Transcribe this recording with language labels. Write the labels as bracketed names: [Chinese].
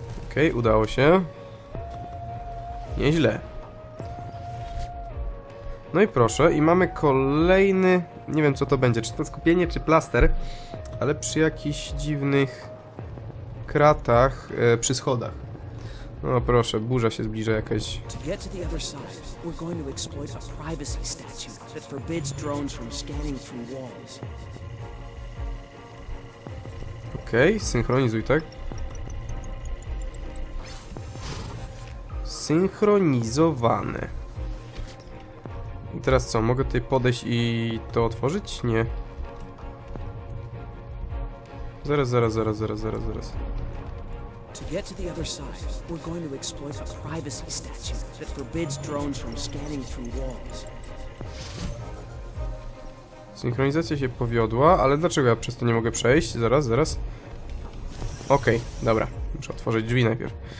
[Polish] Okej, udało się. Nieźle. No i proszę, i mamy kolejny. Nie wiem co to będzie, czy to skupienie, czy plaster. Ale przy jakichś dziwnych kratach, przy schodach. No proszę, burza się zbliża jakaś. [English] To get to the other side, we're going to exploit a privacy statute that forbids drones from scanning through walls. [Polish] Okej, synchronizuj, tak? Synchronizowane. I teraz co, mogę tutaj podejść i to otworzyć? Nie. Zaraz. [English] To get to the other side, we're going to exploit a privacy statute that forbids drones from scanning through walls. [Polish] Synchronizacja się powiodła, ale dlaczego ja przez to nie mogę przejść? Zaraz. Okej, dobra. Muszę otworzyć drzwi najpierw.